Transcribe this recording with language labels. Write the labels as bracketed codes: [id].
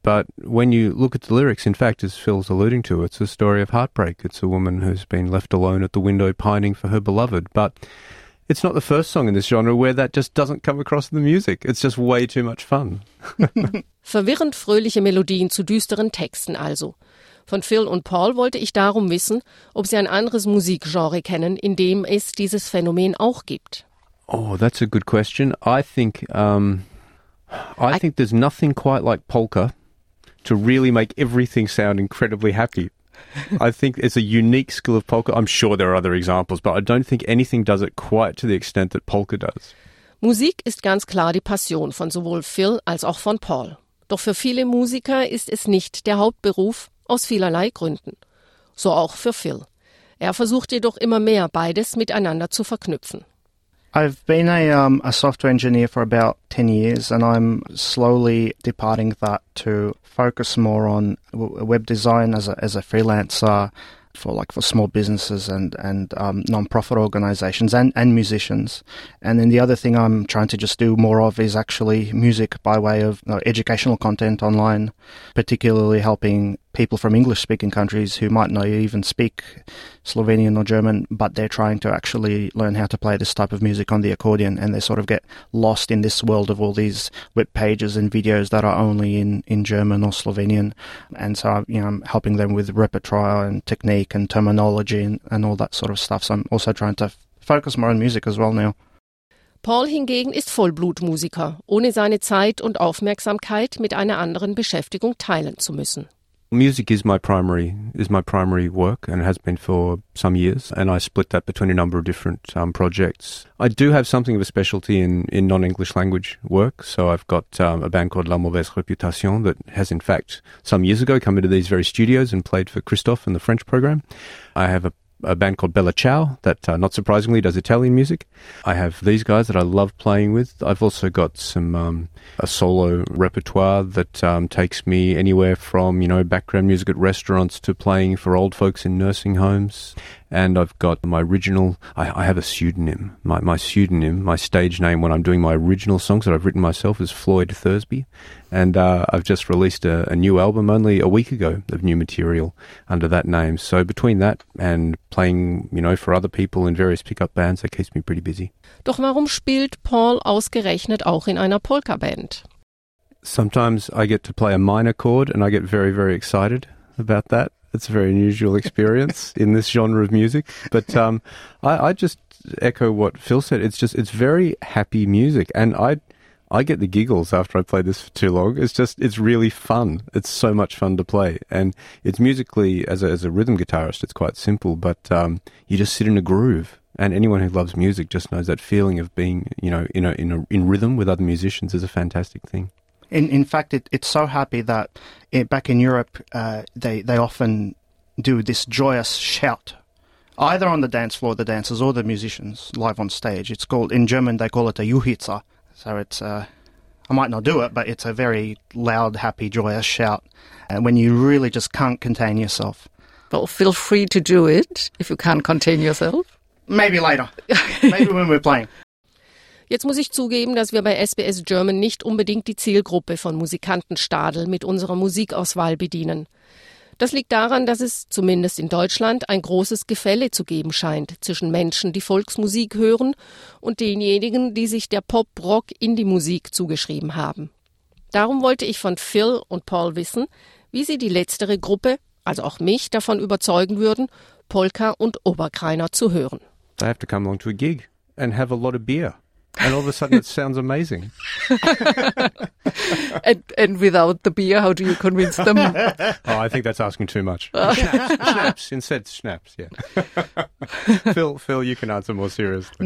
[en] But when you look at the lyrics, in fact, as Phil's alluding to, it's a story of heartbreak. It's a woman who's been left alone at the window pining for her beloved. But it's not the first song in this genre where that just doesn't come across in the music. It's just way too much fun. [de] Verwirrend fröhliche Melodien zu düsteren Texten also. Von Phil und Paul wollte ich darum wissen, ob sie ein anderes Musikgenre kennen, in dem es dieses Phänomen auch gibt. [en] Oh, that's a good question. I think there's nothing quite like polka to really make everything sound incredibly happy. I think it's a unique skill of polka. I'm sure there are other examples, but I don't think anything does it quite to the extent that polka does. [de] Musik ist ganz klar die Passion von sowohl Phil als auch von Paul. Doch für viele Musiker ist es nicht der Hauptberuf, aus vielerlei Gründen. So auch für Phil. Er versucht jedoch immer mehr, beides miteinander zu verknüpfen. [en] I've been a software engineer for about 10 years, and I'm slowly departing that to focus more on web design as a freelancer for small businesses and non-profit organizations and musicians. And then the other thing I'm trying to just do more of is actually music by way of educational content online, particularly helping people from English-speaking countries who might not even speak Slovenian or German, but they're trying to actually learn how to play this type of music on the accordion, and they sort of get lost in this world of all these web pages and videos that are only in German or Slovenian. And so, I'm helping them with repertoire and technique and terminology and all that sort of stuff. So I'm also trying to focus more on music as well now. [de] Paul hingegen ist Vollblutmusiker, ohne seine Zeit und Aufmerksamkeit mit einer anderen Beschäftigung teilen zu müssen. [en] Music is my primary work, and has been for some years, and I split that between a number of different projects. I do have something of a specialty in non-English language work, so I've got a band called La Mauvaise Reputation that has in fact some years ago come into these very studios and played for Christophe and the French program. I have a band called Bella Ciao that not surprisingly does Italian music. I have these guys that I love playing with. I've also got some a solo repertoire that takes me anywhere from, you know, background music at restaurants to playing for old folks in nursing homes. And I've got my original, I have a pseudonym. My stage name when I'm doing my original songs that I've written myself is Floyd Thursby. And I've just released a new album only a week ago of new material under that name. So between that and playing, you know, for other people in various pickup bands, that keeps me pretty busy. [de] Doch warum spielt Paul ausgerechnet auch in einer Polka-Band? [en] Sometimes I get to play a minor chord and I get very, very excited about that. It's a very unusual experience in this genre of music. But I just echo what Phil said. It's very happy music. And I get the giggles after I play this for too long. It's really fun. It's so much fun to play. And it's musically, as a rhythm guitarist, it's quite simple. But you just sit in a groove. And anyone who loves music just knows that feeling of being, you know, in rhythm with other musicians is a fantastic thing. In fact, it's so happy that back in Europe, they often do this joyous shout, either on the dance floor, the dancers, or the musicians live on stage. It's called, in German, they call it a Juchitsa. So it's, I might not do it, but it's a very loud, happy, joyous shout when you really just can't contain yourself. Well, feel free to do it if you can't contain yourself. Maybe later. Maybe when we're playing. [de] Jetzt muss ich zugeben, dass wir bei SBS German nicht unbedingt die Zielgruppe von Musikantenstadl mit unserer Musikauswahl bedienen. Das liegt daran, dass es, zumindest in Deutschland, ein großes Gefälle zu geben scheint zwischen Menschen, die Volksmusik hören, und denjenigen, die sich der Pop-Rock-Indie-Musik zugeschrieben haben. Darum wollte ich von Phil und Paul wissen, wie sie die letztere Gruppe, also auch mich, davon überzeugen würden, Polka und Oberkrainer zu hören. [en] I have to come along to a gig and have a lot of beer. And all of a sudden it sounds amazing. And without the beer, how do you convince them? Oh, I think that's asking too much. Schnapps, yeah. Phil, you can answer more seriously.